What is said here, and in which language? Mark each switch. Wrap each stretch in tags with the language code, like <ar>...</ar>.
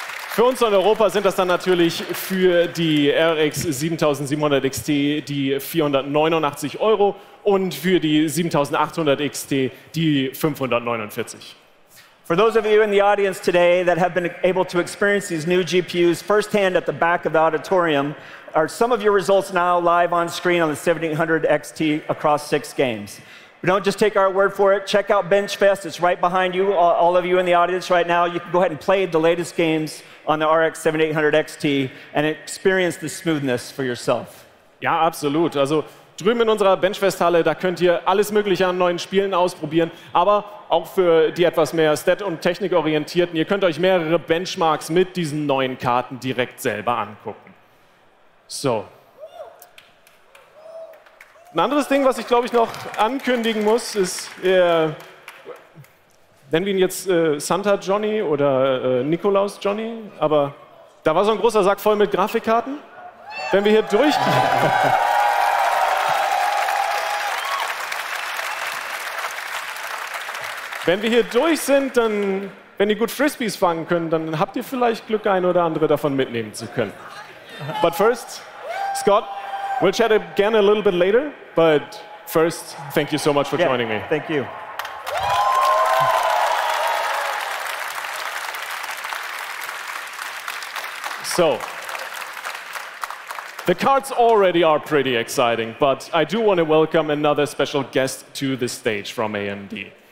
<de>Für uns in Europa sind das dann natürlich für die RX 7700 XT die 489 Euro und für die 7800 XT die 549.</de> <en>For those of you in the audience today that have been able to experience these new GPUs firsthand at the back of the auditorium, are some of your results now live on screen on the 7800 XT across 6 games. But don't just take our word for it. Check out BenchFest. It's right behind you, all of you in the audience right now. You can go ahead and play the latest games on the RX 7800 XT and experience the smoothness for yourself.</en> <de>Ja, absolut. Also drüben in unserer Benchfest-Halle, da könnt ihr alles Mögliche an neuen Spielen ausprobieren, aber auch für die etwas mehr Stat- und Technikorientierten, ihr könnt euch mehrere Benchmarks mit diesen neuen Karten direkt selber angucken. So. Ein anderes Ding, was ich glaube ich noch ankündigen muss, ist, nennen wir ihn jetzt Santa Johnny oder Nikolaus Johnny, aber da war so ein großer Sack voll mit Grafikkarten. Wenn wir hier durchgehen. Wenn wir hier durch sind, dann, wenn ihr gut Frisbees fangen könnt, dann habt ihr vielleicht Glück, ein oder andere davon mitnehmen zu können.</de> <en>But first, Scott, we'll chat again a little bit later, but first, thank you so much for joining me. Thank you. So, the cards already are pretty exciting, but I do want to welcome another special guest to the stage from AMD.</en>